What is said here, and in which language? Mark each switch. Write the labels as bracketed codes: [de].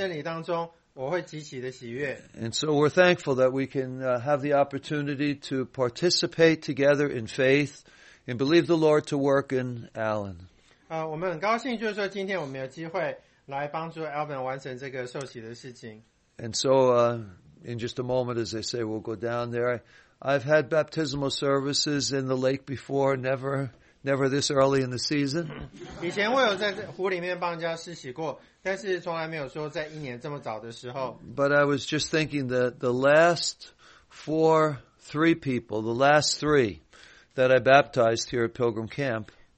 [zh] 然后他们会说，当我听到我的孩子们他们行走在真理当中，我会极其的喜悦。 [en] And so we're thankful that we can have the opportunity to participate together in faith and believe the Lord to work in Alan. [zh] 我们很高兴就是说今天我们有机会来帮助 Alvin 完成这个受洗的事情。 [en] And so in just a moment, as they say, we'll go down there. I've had baptismal services in the lake before, never this early in the season. [zh] 以前我有在湖里面帮人家施洗过，但是从来没有说在一年这么早的时候。 [en] But I was just thinking that the last three that I baptized here at Pilgrim Camp,